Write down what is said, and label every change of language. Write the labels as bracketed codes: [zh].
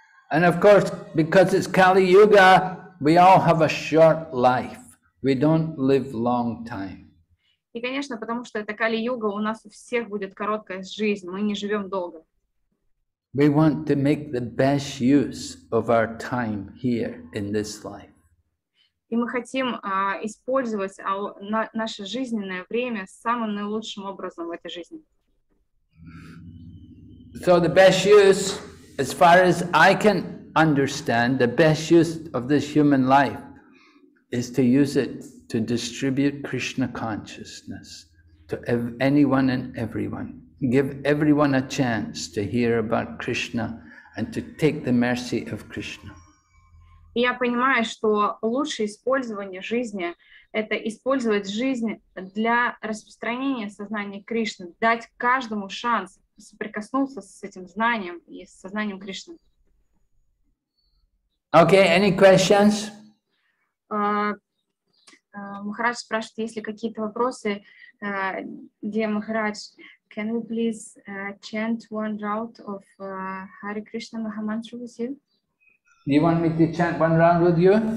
[en] And of course, because it's Kali Yuga, we all have a short life. We don't live long time. [ru] И конечно, потому что это Кали Юга, у нас у всех будет короткая жизнь. Мы не живем долго. [en] We want to make the best use of our time here in this life. [ru] И мы хотим использовать наше жизненное время самым наилучшим образом в этой жизни. [en] So the best use. As far as I can understand, the best use of this human life is to use it to distribute Krishna consciousness to anyone and everyone. Give everyone a chance to hear about Krishna and to take the mercy of Krishna. [ru] Я понимаю, что лучшее использование жизни – это использовать жизнь для распространения сознания Кришны, дать каждому шанс соприкоснулся с этим знанием и с сознанием Кришны. [en] Okay, any questions? [ru] Махарадж спрашивает, есть ли какие-то вопросы. [en] Dear Махарадж, can we please chant one round of Hare Krishna Mahamantra with you? You want me to chant one round with you?